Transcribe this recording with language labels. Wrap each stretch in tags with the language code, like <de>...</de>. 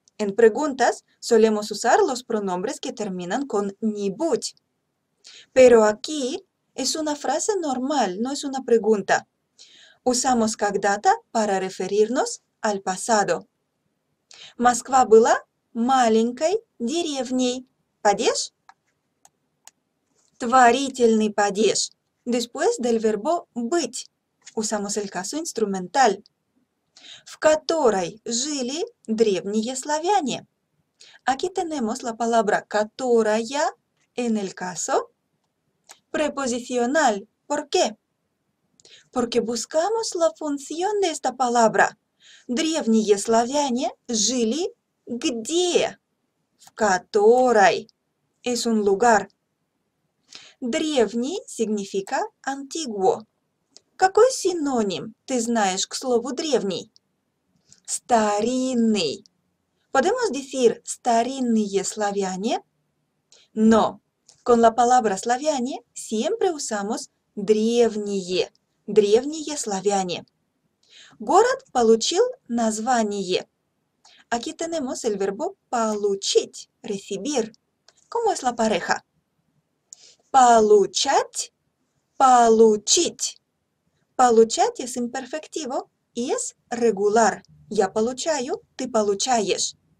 <es>En preguntas solemos usar los pronombres que terminan con нибудь. Pero aquí es una frase normal, no es una pregunta. Usamos когда-то para referirnos al pasado.</es> <ru>Москва была маленькой деревней. Падеж? Творительный падеж.</ru> <es>Después del verbo быть. Usamos el caso instrumental.</es> <ru>В которой жили древние славяне.</ru> <es>Aquí tenemos la palabra которая en el caso preposicional. ¿Por qué? Porque buscamos la función de esta palabra.</es> <ru>Древние славяне жили где? В которой.</ru> <es>Es un lugar. Древний significa antiguo.</es> <ru>Какой синоним ты знаешь к слову древний? Старинный.</ru> <es>Podemos decir</es> <ru>старинные славяне?</ru> <es>No. Con la palabra славяне siempre usamos древние.</es> <ru>Древние славяне. Город получил название.</ru> <es>Aquí tenemos el verbo получить, recibir. ¿Cómo es la pareja?</es> <ru>Получать, получить.</ru> <es>Получать es imperfectivo y es regular.</es> <ru>Я получаю, ты получаешь.</ru>